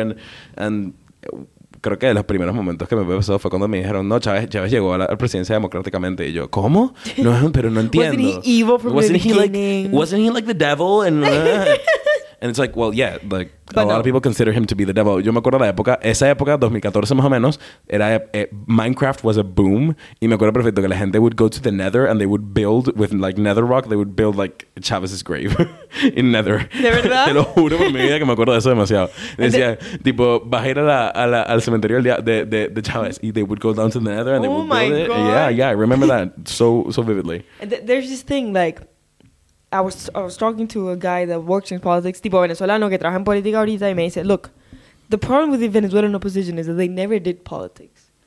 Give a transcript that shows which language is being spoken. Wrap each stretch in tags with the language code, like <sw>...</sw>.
<es>And creo que los primeros momentos que me pasó fue cuando me dijeron, no, Chavez llegó a la presidencia democráticamente. Y yo, ¿cómo? No, pero no entiendo.</es> <en>Wasn't he evil from the beginning? Wasn't he like the devil? And And it's like, well, yeah, like, but a lot of people consider him to be the devil.</en> <es>Yo me acuerdo la época, esa época, 2014 más o menos, era, Minecraft</es> <en>was a boom.</en> <es>Y me acuerdo perfecto que la gente</es> <en>would go to the Nether and they would build with, like, Nether Rock, they would build, like, Chavez's grave in Nether.</en> <es>¿De verdad? Te lo juro por mi vida que me acuerdo de eso demasiado. Decía, tipo, vas a ir al cementerio el día de Chavez.</es> <en>Y they would go down to the Nether and they would build it. Yeah, yeah, I remember that so vividly. There's this thing, like, I was talking to a guy that works in politics,</en> <es>tipo venezolano que trabaja en política ahorita, y me dice,</es> <en>look, the problem with the Venezuelan opposition is that they never did politics.</en>